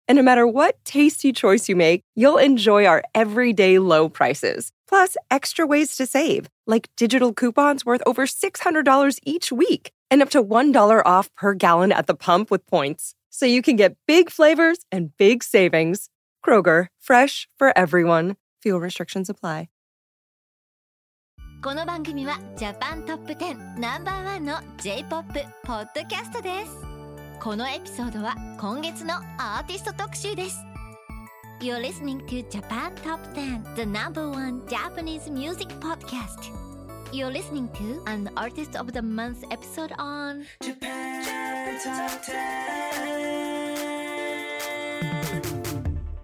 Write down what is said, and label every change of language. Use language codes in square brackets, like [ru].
[en] And no matter what tasty choice you make, you'll enjoy our everyday low prices, plus extra ways to save, like digital coupons worth over $600 each week, and up to $1 off per gallon at the pump with points. So you can get big flavors and big savings. Kroger, fresh for everyone. Fuel restrictions apply. [ja] この番組はジャパントップ10ナンバーワンの J-POP ポッドキャストです。このエピソードは今月のアーティスト特集です。 [en] You're listening to Japan Top 10 The number one Japanese music podcast. You're listening to an artist of the month episode on Japan Top 10.